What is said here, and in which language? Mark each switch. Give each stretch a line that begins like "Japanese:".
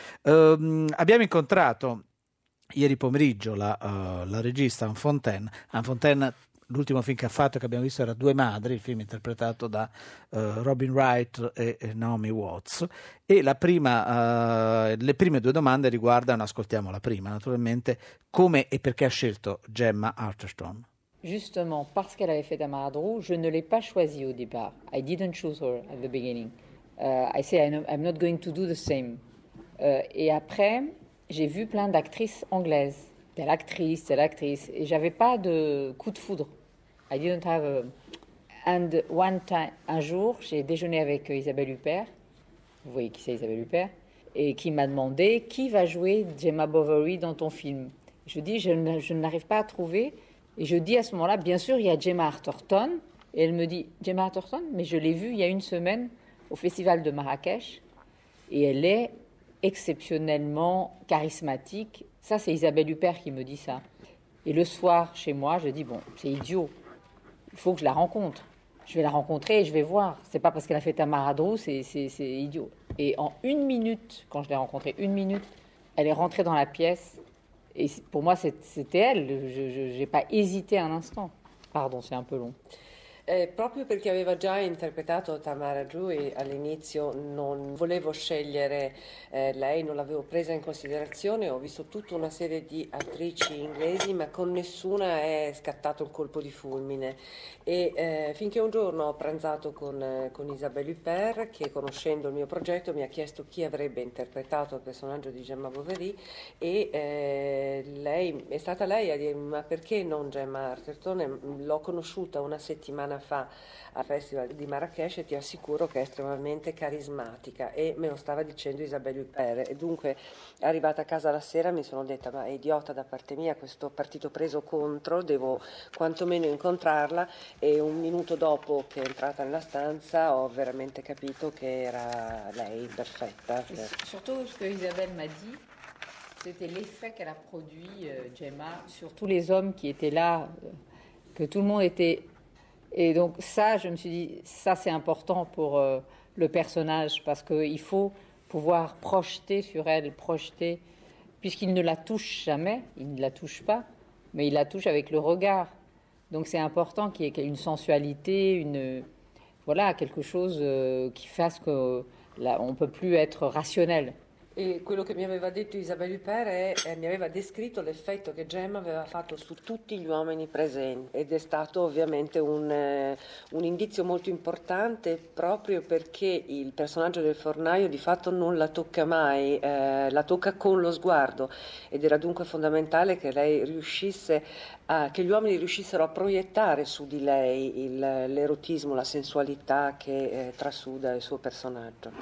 Italian: Abbiamo incontrato ieri pomeriggio la regista Anne Fontaine. L'ultimo film che ha fatto, che abbiamo visto, era Due Madri, il film interpretato da Robin Wright e Naomi Watts. E le prime due domande riguardano, ascoltiamo la prima naturalmente, come e perché ha scelto Gemma Arterton?
French: Justement, parce qu'elle avait fait Amadou, je ne l'ai pas choisi au départ.
English: I didn't choose her at the beginning. I say I'm not going to do the same.
French: Et après, j'ai vu plein d'actrices anglaises. Telle actrice, et j'avais pas de coup de foudre.
English: I didn't have a... And one time,
French: un jour, j'ai déjeuné avec Isabelle Huppert, vous voyez qui c'est Isabelle Huppert, et qui m'a demandé qui va jouer Gemma Bovary dans ton film. Je dis, je n'arrive pas à trouver, et je dis à ce moment-là, bien sûr, il y a Gemma Arterton, et elle me dit, Gemma Arterton, mais je l'ai vue il y a une semaine au Festival de Marrakech, et elle est exceptionnellement charismatique. Ça, c'est Isabelle Huppert qui me dit ça. Et le soir, chez moi, je dis, bon, c'est idiot. Il faut que je la rencontre. Je vais la rencontrer et je vais voir. C'est pas parce qu'elle a fait Tamaradrou, c'est idiot. Et en une minute, quand je l'ai rencontrée, une minute, elle est rentrée dans la pièce. Et pour moi, c'était elle. Je n'ai pas hésité un instant. Pardon, c'est un peu long.
Italian: Proprio perché aveva già interpretato Tamara Drewy all'inizio, non volevo scegliere lei, non l'avevo presa in considerazione. Ho visto tutta una serie di attrici inglesi, ma con nessuna è scattato un colpo di fulmine. E finché un giorno ho pranzato con Isabelle Huppert, che conoscendo il mio progetto mi ha chiesto chi avrebbe interpretato il personaggio di Gemma Bovary, e lei è stata lei a dirmi: ma perché non Gemma Arterton? L'ho conosciuta una settimana fa al Festival di Marrakesh e ti assicuro che è estremamente carismatica, e me lo stava dicendo Isabelle Huppert. E dunque, arrivata a casa la sera, mi sono detta: ma è idiota da parte mia questo partito preso contro, devo quantomeno incontrarla. E un minuto dopo che è entrata nella stanza ho veramente capito che era lei, perfetta.
French: Soprattutto ce che Isabelle m'a dit, c'était l'effet qu'elle a produit Gemma sur tous les hommes qui étaient là, que tout le monde était. Et donc ça, je me suis dit, ça c'est important pour le personnage, parce qu'il faut pouvoir projeter sur elle, projeter, puisqu'il ne la touche jamais, il ne la touche pas, mais il la touche avec le regard. Donc c'est important qu'il y ait une sensualité, une, voilà, quelque chose qui fasse que là, on ne peut plus être rationnel.
Italian: E quello che mi aveva detto Isabelle Huppert è, mi aveva descritto l'effetto che Gemma aveva fatto su tutti gli uomini presenti, ed è stato ovviamente un indizio molto importante, proprio perché il personaggio del fornaio di fatto non la tocca mai, la tocca con lo sguardo, ed era dunque fondamentale che lei riuscisse a, che gli uomini riuscissero a proiettare su di lei l'erotismo, la sensualità che trasuda il suo personaggio.